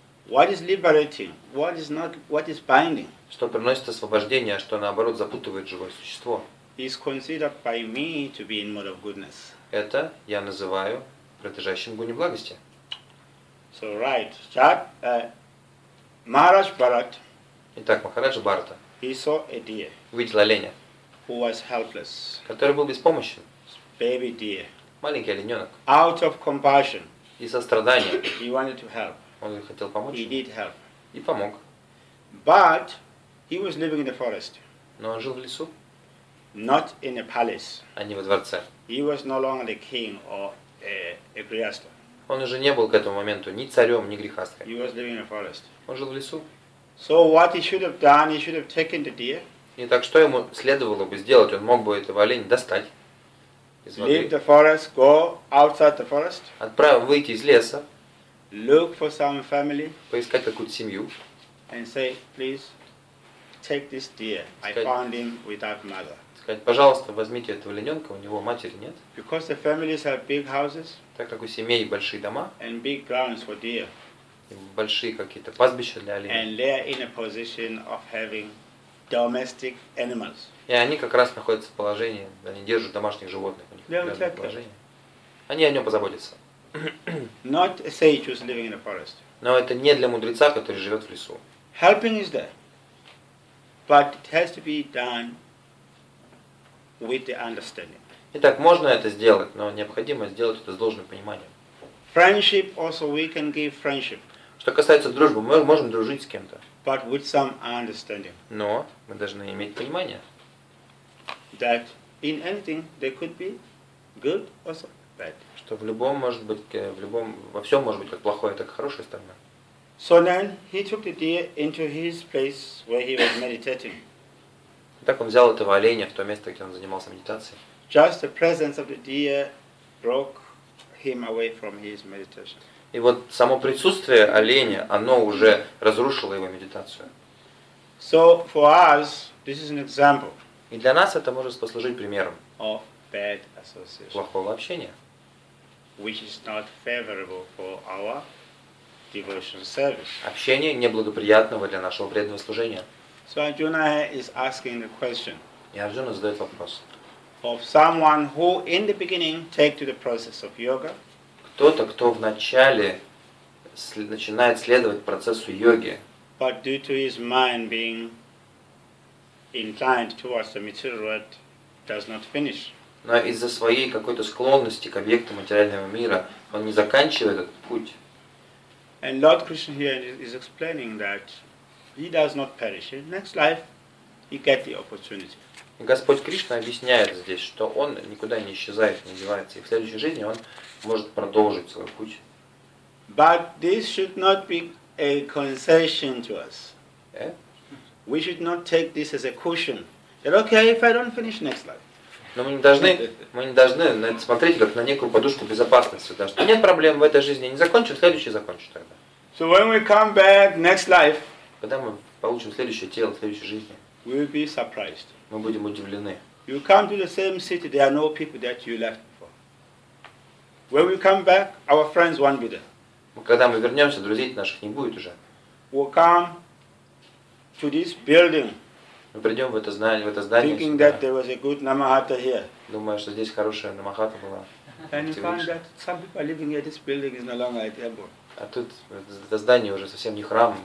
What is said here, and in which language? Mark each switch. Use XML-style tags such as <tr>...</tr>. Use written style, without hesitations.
<en>What is liberating, what is not, what is binding.</en> <ru>Что приносит освобождение, а что наоборот запутывает живое существо.</ru> <en>Is considered by me to be in mode of goodness.</en> <ru>Это я называю протяжащим гуни благости.</ru> <en>So right, Jad, Maharaj Bharat.</en> <ru>Итак, Махарадж Бхарата.</ru> <en>He saw a deer.</en> <ru>Увидел оленя.</ru> <en>Who was helpless.</en> <ru>Который был беспомощен.</ru> <en>Baby deer.</en> <ru>Маленький олененок.</ru> <en>Out of compassion.</en> <ru>И сострадание.</ru> <en>He wanted to help.</en> <ru>Он хотел помочь.</ru> <en>He did help.</en> <ru>И помог.</ru> <en>But he was living in the forest.</en> <ru>Но он жил в лесу.</ru> <en>Not in a palace.</en> <ru>А не во дворце.</ru> <en>He was no longer the king or a grihastha.</en> <ru>Он уже не был к этому моменту ни царем, ни грихастхой.</ru> <en>He was living in a forest.</en> <ru>Он жил в лесу.</ru> <en>So what he should have done, he should have taken the deer.</en> <ru>И так что ему следовало бы сделать? Он мог бы этого оленя достать из воды.</ru> <en>Leave the forest, go outside the forest.</en> <ru>Отправил выйти из леса.</ru> <en>Look for some family.</en> <ru>Поискать какую-то семью.</ru> <en>And say, please, take this deer.</en> <ru>Сказать,</ru> <en>I found him without mother.</en> <ru>Сказать, пожалуйста, возьмите этого олененка, у него матери нет.</ru> <en>Because the families have big houses.</en> <ru>Так как у семей большие дома.</ru> <en>And big grounds for deer.</en> <ru>И большие какие-то пастбища для оленя.</ru> <en>And they are in a position of having domestic animals.</en> <ru>И они как раз находятся в положении, они держат домашних животных. У них</ru> <en>They'll take</en> <ru>положение.</ru> <en>Them.</en> <ru>Они о нем позаботятся.</ru> <en>Not a sage who's living in a forest.</en> <ru>Но это не для мудреца, который живет в лесу.</ru> <en>Helping is there, but it has to be done with the understanding.</en> <ru>Итак, можно это сделать, но необходимо сделать это с должным пониманием.</ru> <en>Friendship also we can give friendship.</en> <ru>Что касается дружбы, мы можем дружить с кем-то.</ru> <en>But with some understanding.</en> <ru>Но мы должны иметь понимание.</ru> <en>that in anything there could be good or so bad.</en> <ru>Что в любом может быть, в любом, во всем может быть как плохое, так и хорошее стороны.</ru> <en>So then he took the deer into his place where he was meditating.</en> <ru>Так он взял этого оленя в то место, где он занимался медитацией.</ru> <en>Just the presence of the deer broke him away from his meditation.</en> <ru>И вот само присутствие оленя, оно уже разрушило его медитацию.</ru> <en>So for us, this is an example.</en> <ru>И для нас это может послужить примером.</ru> <en>Of bad association.</en> <ru>Плохого общения.</ru> <en>Which is not favorable for our devotional service.</en> <ru>Общение неблагоприятного для нашего преданного служения.</ru> <en>So Arjuna is asking the question.</en> <ru>И Арджуна задает вопрос.</ru> <en>Of someone who in the beginning take to the process of yoga.</en> <ru>Кто-то, кто вначале начинает следовать процессу йоги.</ru> <en>But due to his mind being inclined towards the material world, does not finish.</en> <ru>Но из-за своей какой-то склонности к объектам материального мира он не заканчивает этот путь.</ru> <en>And Lord Krishna here is explaining that he does not perish. In next life, he gets the opportunity.</en> <ru>И Господь Кришна объясняет здесь, что он никуда не исчезает, не девается, и в следующей жизни он может продолжить свой путь.</ru> <en>But this should not be a concession to us. We should not take this as a cushion. That okay if I don't finish next life.</en> <ru>Но мы не должны на это смотреть как на некую подушку безопасности, да, что нет проблем в этой жизни, не закончу, следующий закончу тогда.</ru> <en>So when we come back next life,</en> <ru>когда мы получим следующее тело, следующей жизни,</ru> <en>we will be surprised.</en> <ru>Мы будем удивлены.</ru> <en>You come to the same city, there are no people that you left before. When we come back, our friends won't be there.</en> <ru>Когда мы вернемся, друзей наших не будет уже.</ru> <en>We'll come to this building.</en> <ru>Мы придем в это здание.</ru> <en>Thinking that there was a good Namahata here.</en> <ru>Думая, что здесь хорошая Намахата была.</ru> <en>And you find that some people are living here. This building is no longer a temple.</en> <ru>А тут это здание уже совсем не храм.</ru>